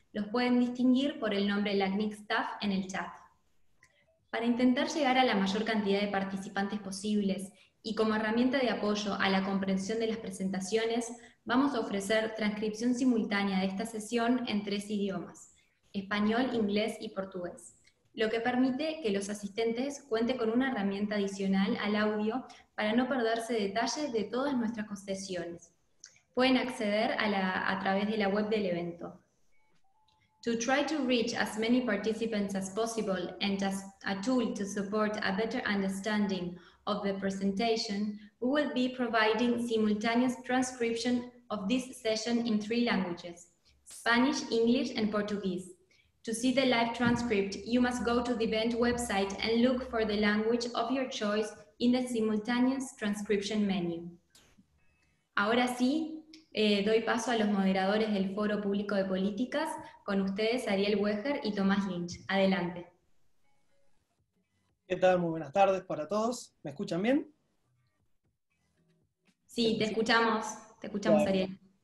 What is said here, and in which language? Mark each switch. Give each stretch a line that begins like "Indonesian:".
Spanish: Los pueden distinguir por el nombre LACNIC Staff en el chat. Para intentar llegar a la mayor cantidad de participantes posibles y como herramienta de apoyo a la comprensión de las presentaciones, vamos a ofrecer transcripción simultánea de esta sesión en 3 idiomas, español, inglés y portugués, lo que permite que los asistentes cuenten con una herramienta adicional al audio para no perderse detalles de todas nuestras sesiones. Pueden acceder a través de la web del evento.
English: To try to reach as many participants as possible and as a tool to support a better understanding of the presentation, we will be providing simultaneous transcription of this session in 3 languages, Spanish, English, and Portuguese. To see the live transcript, you must go to the event website and look for the language of your choice in the simultaneous transcription menu.
Spanish: Ahora sí, doy paso a los moderadores del Foro Público de Políticas, con ustedes Ariel Weger y Tomás Lynch. Adelante. ¿Qué tal? Muy buenas tardes para todos. ¿Me escuchan bien? Sí, te escuchamos, bueno. Ariel.